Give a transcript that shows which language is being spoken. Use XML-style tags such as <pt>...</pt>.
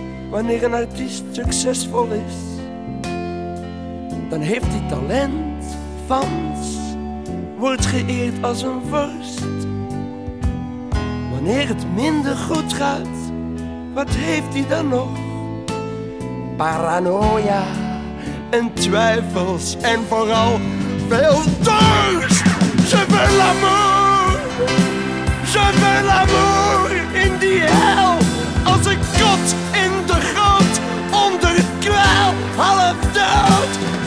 <nl>Wanneer een artiest succesvol is, dan heeft hij talent, fans, wordt geëerd als een vorst. Wanneer het minder goed gaat, wat heeft hij dan nog? Paranoia en twijfels en vooral veel dorst.</nl> <fr>Je veux l'amour, je veux l'amour</fr> <nl>in die hel. Als een kot in de grond, onder het kwel, half dood.</nl>